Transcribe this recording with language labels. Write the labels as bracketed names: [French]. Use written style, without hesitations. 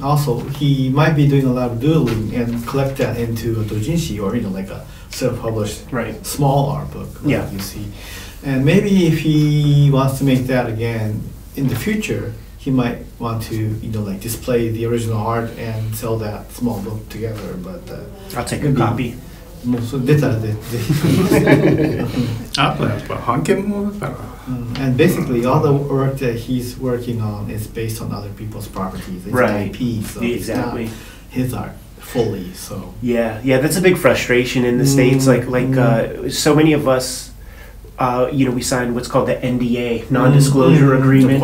[English] Also, he might be doing a lot of doodling and collect that into a doujinshi or, you know, like a self-published small art book, like you see. And maybe if he wants to make that again in the future, he might want to, you know, like display the original art and sell that small book together. But I'll take a copy. [Japanese] もうそれ出たらで、ぜひ。あとやっぱ半券もだから。 [English] And basically, all the work that he's working on is based on other people's properties. It's right. IP, so exactly. It's not his art fully, so. Yeah, yeah, that's a big frustration in the States. So many of us, you know, we signed what's called the NDA, non-disclosure agreement.